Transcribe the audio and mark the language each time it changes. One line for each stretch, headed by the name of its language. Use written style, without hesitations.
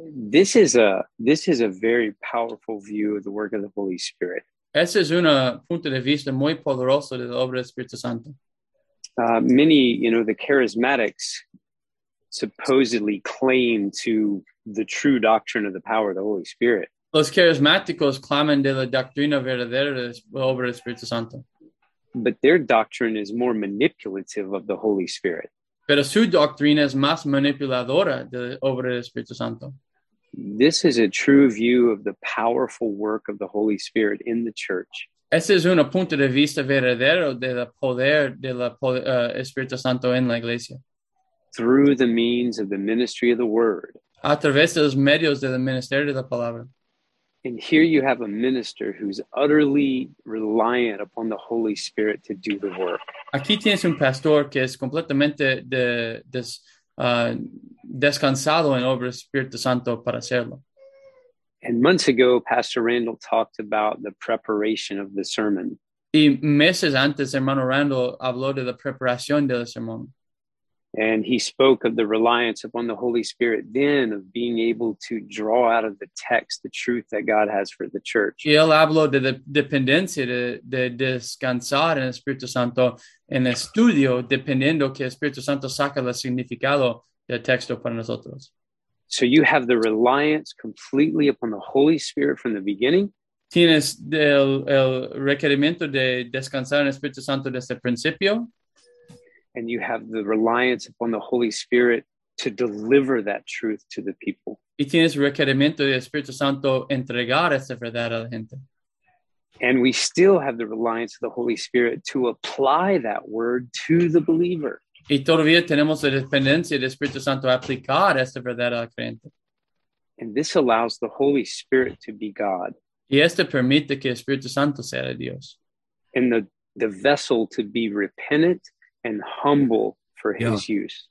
English: This is a very powerful view of the work of the Holy Spirit.
Spanish: Ese es un punto de vista muy poderoso de la obra del Espíritu Santo.
English: Many, you know, the charismatics supposedly claim to the true doctrine of the power of the Holy Spirit.
Spanish: Los carismáticos claman de la doctrina verdadera de la obra del Espíritu Santo.
English: But their doctrine is more manipulative of the Holy Spirit.
Spanish: Pero su doctrina es más manipuladora de la obra del Espíritu Santo.
English: This is a true view of the powerful work of the Holy Spirit in the church.
Spanish: Ese es un punto de vista verdadero de la poder de la Espíritu Santo en la iglesia.
English: Through the means of the ministry of the word.
Spanish: A través de los medios del ministerio de la palabra.
English: And here you have a minister who's utterly reliant upon the Holy Spirit to do the work.
Spanish: Aquí tienes un pastor que es completamente descansado en obra del Espíritu Santo para hacerlo.
English: And months ago, Pastor Randall talked about the preparation of the sermon.
Spanish: Y meses antes, hermano Randall habló de la preparación del sermón.
English: And he spoke of the reliance upon the Holy Spirit then of being able to draw out of the text the truth that God has for the church.
Spanish: Y él habló de la dependencia de descansar en el Espíritu Santo en el estudio, dependiendo que el Espíritu Santo saca el significado del texto para nosotros.
English: So you have the reliance completely upon the Holy Spirit from the beginning.
Spanish: Tienes el requerimiento de descansar en el Espíritu Santo desde el principio.
English: And you have the reliance upon the Holy Spirit to deliver that truth to the people.
Spanish: Y tienes requerimiento del Espíritu Santo entregar esa verdad a la gente.
English: And we still have the reliance of the Holy Spirit to apply that word to the believer.
Spanish: Y todavía tenemos la dependencia del Espíritu Santo a aplicar esta verdad al creyente.
English: And this allows the Holy Spirit to be God.
Spanish: Y esto permite que el Espíritu Santo sea Dios.
English: And the vessel to be repentant and humble for his use.